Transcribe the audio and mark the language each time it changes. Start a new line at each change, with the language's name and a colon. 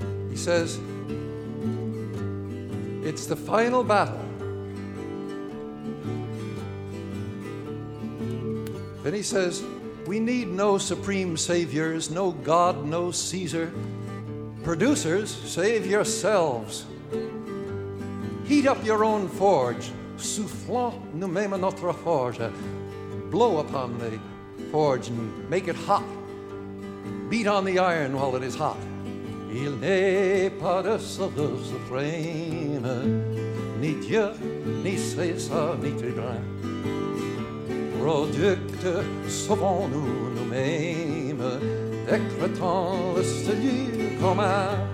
English: He says, it's the final battle. Then he says, we need no supreme saviors, no God, no Caesar. Producers, save yourselves. Heat up your own forge.
French: Soufflons nous-mêmes notre forge.
English: Blow upon the forge and make it hot. Beat on the iron while it is hot.
French: Il n'est pas de sauveur suprême, ni Dieu, ni César, ni tribun. Producteurs, sauvons-nous nous-mêmes, décrétons le salut commun.